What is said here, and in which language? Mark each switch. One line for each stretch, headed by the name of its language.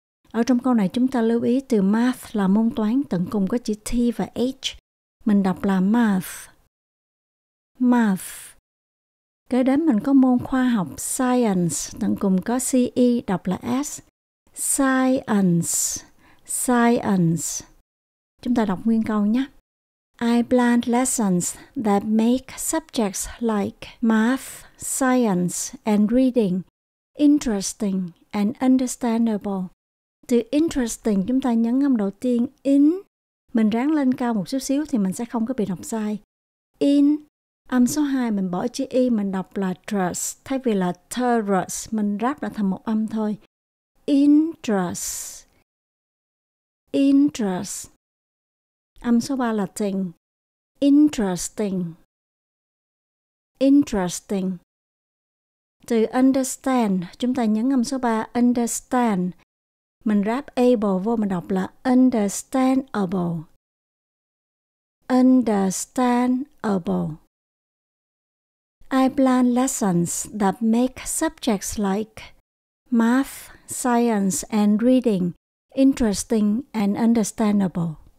Vietnamese: Ở trong câu này chúng ta lưu ý từ math là môn toán, tận cùng có chữ T và H. Mình đọc là math. Math. Kế đến mình có môn khoa học science, tận cùng có CE, đọc là S.
English: Science. Science.
Vietnamese: Chúng ta đọc nguyên câu nhé.
English: I plan lessons that make subjects like math, science and reading interesting and understandable.
Vietnamese: Từ interesting chúng ta nhấn âm đầu tiên in. Mình ráng lên cao một chút xíu thì mình sẽ không có bị đọc sai. In. Âm số 2 mình bỏ chữ y, mình đọc là trus thay vì là trus, mình ráp lại thành một âm thôi.
English: Interest. Interest.
Vietnamese: Âm số 3 là tình. Interesting. Interesting. Từ understand, chúng ta nhấn âm số 3, understand. Mình ráp able vô, mình đọc là understandable.
English: Understandable. I plan lessons that make subjects like math, science and reading interesting and understandable.